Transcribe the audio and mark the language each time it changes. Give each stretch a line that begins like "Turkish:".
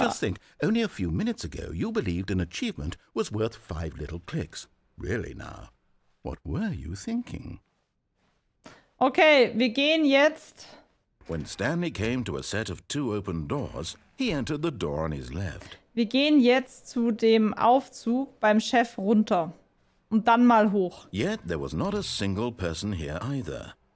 English: Just think, only a few minutes ago, you believed an achievement was worth 5 little clicks. Really now, what were you thinking?
German: Okay, wir gehen jetzt.
English: When Stanley came to a set of 2 open doors, he entered the door on his left.
German: Wir gehen jetzt zu dem Aufzug beim Chef runter. Und dann mal hoch.
English: Yet there was not a single person here either.